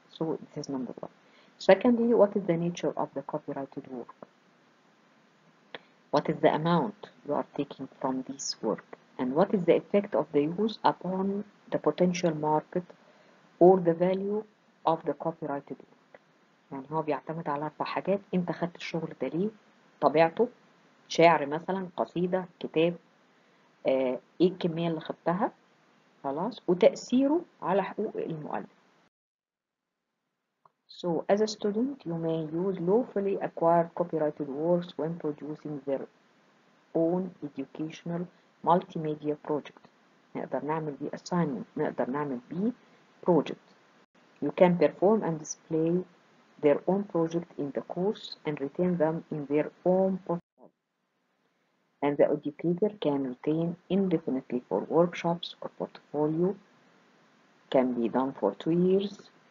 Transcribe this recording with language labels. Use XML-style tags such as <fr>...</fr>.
<en>So this is number one. Secondly, what is the nature of the copyrighted work? What is the amount you are taking from this work? And what is the effect of the use upon the potential market or the value of the copyrighted work?</en> <ar>يعني هو بيعتمد على أربع حاجات، أنت خدت الشغل ده ليه؟ طبيعته، شعر مثلا، قصيدة، كتاب، إيه الكمية اللي خدتها؟ خلاص؟ وتأثيره على حقوق المؤلف.</ar> <en>So, as a student, you may use lawfully acquired copyrighted works when producing their own educational multimedia project.</en> <ar>نقدر نعمل بيه assignment, نقدر نعمل بيه project.</ar> <en>You can perform and display their own project in the course and retain them in their own portfolio. And the educator can retain indefinitely for workshops or portfolio, can be done for 2 years.</en>